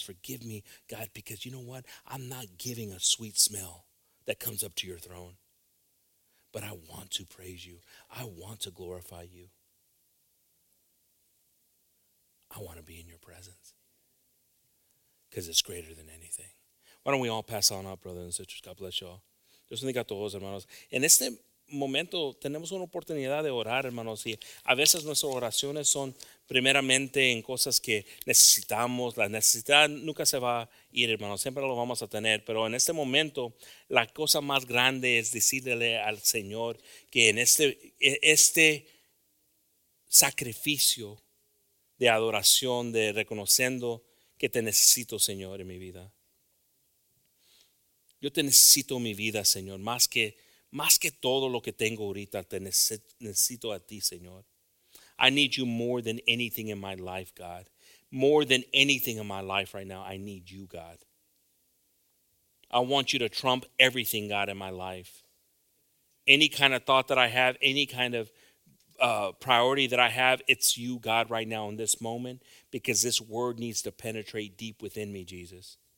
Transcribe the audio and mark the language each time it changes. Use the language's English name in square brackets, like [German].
[English] Forgive me, God, because you know what? I'm not giving a sweet smell that comes up to your throne. But I want to praise you. I want to glorify you. I want to be in your presence. Because it's greater than anything. Why don't we all pass on up, brothers and sisters? God bless you all. [Spanish] Dios bendiga a todos, hermanos. En este momento tenemos una oportunidad de orar, hermanos. Y a veces nuestras oraciones son primeramente en cosas que necesitamos. La necesidad nunca se va a ir, hermanos. Siempre lo vamos a tener. Pero en este momento la cosa más grande es decirle al Señor que en este sacrificio de adoración, de reconociendo que te necesito, Señor, en mi vida. Yo te necesito mi vida, Señor, más que todo lo que tengo ahorita, te necesito a ti, Señor. [English] I need you more than anything in my life, God. More than anything in my life right now, I need you, God. I want you to trump everything, God, in my life. Any kind of thought that I have, any kind of priority that I have, it's you, God, right now in this moment, because this word needs to penetrate deep within me, Jesus.